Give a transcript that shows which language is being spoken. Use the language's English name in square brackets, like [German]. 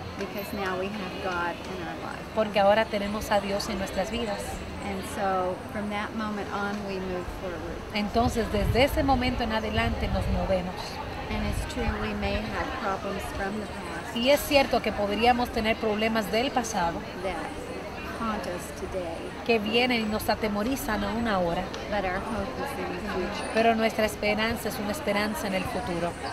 [English] Because now we have God in our lives. [Spanish] Porque ahora tenemos a Dios en nuestras vidas. [English] And so from that moment on we move forward. [Spanish] Entonces desde ese momento en adelante nos movemos. [English] And it's true we may have problems from the past. [Spanish] Y es cierto que podríamos tener problemas del pasado. [English] That haunt us today. [Spanish] Que vienen y nos atemorizan aún ahora. [English] But our hope is in the future. [Spanish] Pero nuestra esperanza es una esperanza en el futuro.